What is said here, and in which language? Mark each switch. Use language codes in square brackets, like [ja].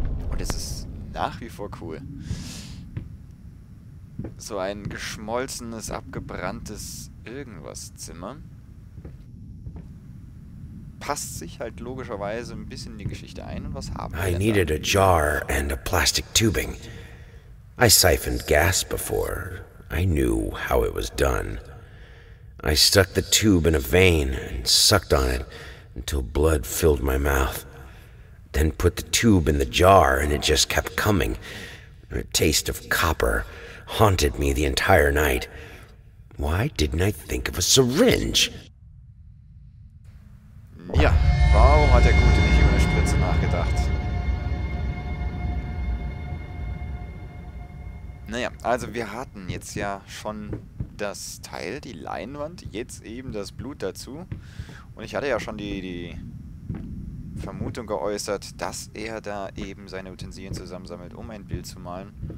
[de] Und es ist nach wie vor cool. So ein geschmolzenes, abgebranntes Irgendwas-Zimmer. Passt sich halt logischerweise ein bisschen in die Geschichte ein. Und was haben wir? [en] I needed a jar and a plastic tubing. I siphoned gas before. I knew how it was done. I stuck the tube in a vein and sucked on it until blood filled my mouth. Then put the tube in the jar and it just kept coming. A taste of copper haunted me the entire night. Why didn't I think of a syringe? [de] Ja, warum hat der Gute nicht über eine Spritze nachgedacht? Naja, also wir hatten jetzt ja schon das Teil, die Leinwand, jetzt eben das Blut dazu. Und ich hatte ja schon die Vermutung geäußert, dass er da eben seine Utensilien zusammensammelt, um ein Bild zu malen.